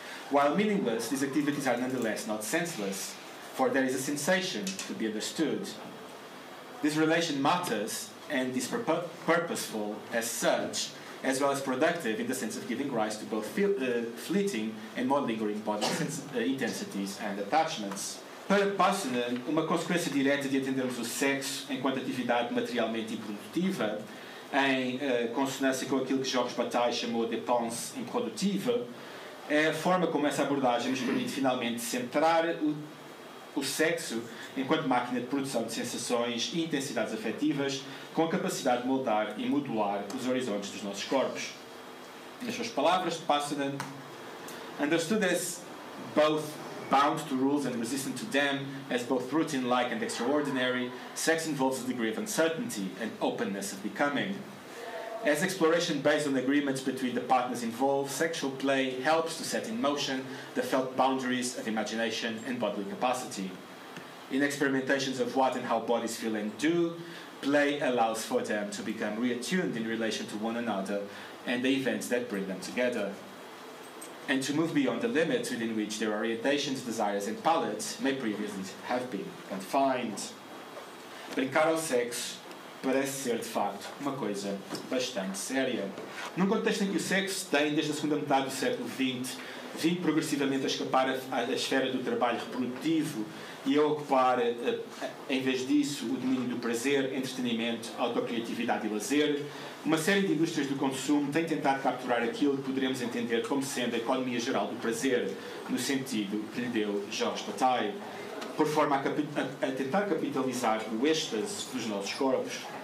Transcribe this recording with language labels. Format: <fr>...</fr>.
<en>While meaningless, these activities are nonetheless not senseless, for there is a sensation to be understood. This relation matters and is purposeful as such, as well as productive in the sense of giving rise to both fleeting and more lingering bodily intensities and attachments.</en> <pt>Para Passanen, uma consequência direta de entendermos o sexo enquanto atividade materialmente improdutiva, em consonância com aquilo que Georges Bataille chamou de dépense improdutiva, é a forma como essa abordagem nos permite finalmente centrar o sexo enquanto máquina de produção de sensações e intensidades afetivas com a capacidade de moldar e modular os horizontes dos nossos corpos. Nas suas palavras,</pt> <en>Passanen, understood as both bound to rules and resistant to them, as both routine-like and extraordinary, sex involves a degree of uncertainty and openness of becoming. As exploration based on agreements between the partners involved, sexual play helps to set in motion the felt boundaries of imagination and bodily capacity. In experimentations of what and how bodies feel and do, play allows for them to become reattuned in relation to one another and the events that bring them together, and to move beyond the limits within which their orientations, desires and palates may previously have been confined.</en> <pt>Brincar ao sexo parece ser, de facto, uma coisa bastante séria. Num contexto em que o sexo tem, desde a segunda metade do século XX, vindo progressivamente a escapar à esfera do trabalho reprodutivo e a ocupar, em vez disso, o domínio do prazer, entretenimento, autocriatividade e lazer, uma série de indústrias do consumo tem tentado capturar aquilo que poderemos entender como sendo a economia geral do prazer, no sentido que lhe deu Georges Bataille, por forma a tentar capitalizar o êxtase dos nossos corpos.</pt>